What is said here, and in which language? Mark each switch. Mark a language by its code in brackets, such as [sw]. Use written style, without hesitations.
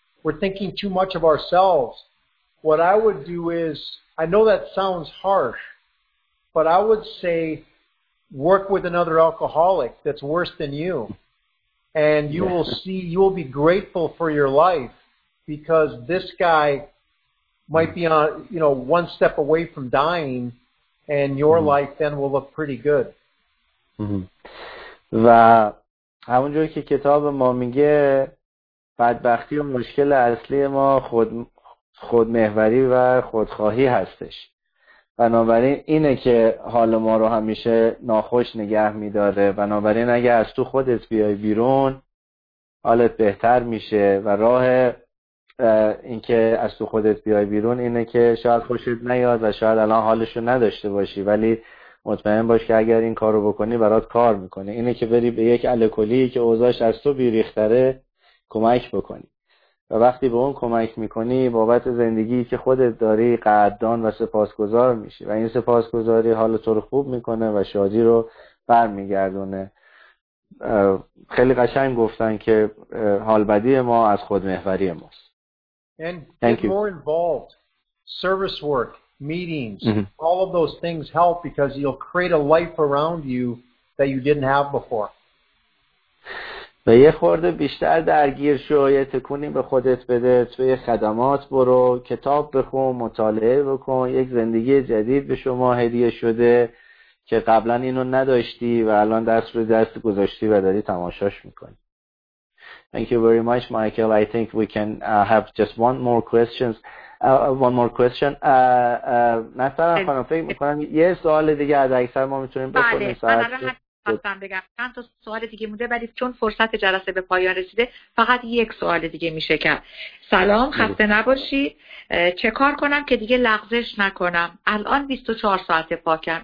[en] We're thinking too much of ourselves. What I would do is, I know that sounds harsh, but I would say work with another alcoholic that's worse than you. And you will see, you will be grateful for your life, because this guy might be on, one step away from dying, and your life then will look pretty good. [fa] و همونجوری که کتاب ما میگه بدبختی و مشکل اصلی ما خودمحوری و خودخواهی هستش. بنابراین اینه که حال ما رو همیشه ناخوش نگه میداره. بنابراین اگه از تو خودت بیای بیرون حالت بهتر میشه و راه این که از تو خودت بیای بیرون اینه که شاید خوشت نیاد و شاید الان حالشو نداشته باشی، ولی مطمئن باش که اگر این کار رو بکنی برات کار میکنه. اینه که بری به یک الکلی که اوضاعش از تو بیریختره کمک بکنی، و وقتی به اون کمک میکنی بابت زندگی که خودت داری قدردان و سپاسگزار میشی، و این سپاسگزاری حال تو رو خوب میکنه و شادی رو برمیگردونه. خیلی قشنگ گفتن که حال بدی ما از خودمحوری ماست. [en] And get more involved. Service work, meetings, all of those things help, because you'll create a life around you that you didn't have before. [fa] و یه خورده بیشتر درگیر شو، یه تکونی به خودت بده، توی خدمات برو، کتاب بخون، مطالعه بکن، یک زندگی جدید به شما هدیه شده که قبلا اینو نداشتی و الان دست رو دست گذاشتی و داری تماشاش میکنی. [en] Thank you very much, Michael. I think we can have just one more questions. One more question. [fa] نفرم خانم فکر میکنم یه سوال دیگه از اکثر ما میتونیم بکنیم. بله، من الان بگم چند تا سوال دیگه مونده، ولی چون فرصت جلسه به پایان رسیده فقط یک سوال دیگه میشه کرد. سلام، خسته نباشی. چه کار کنم که دیگه لغزش نکنم؟ الان 24 ساعت پاکم.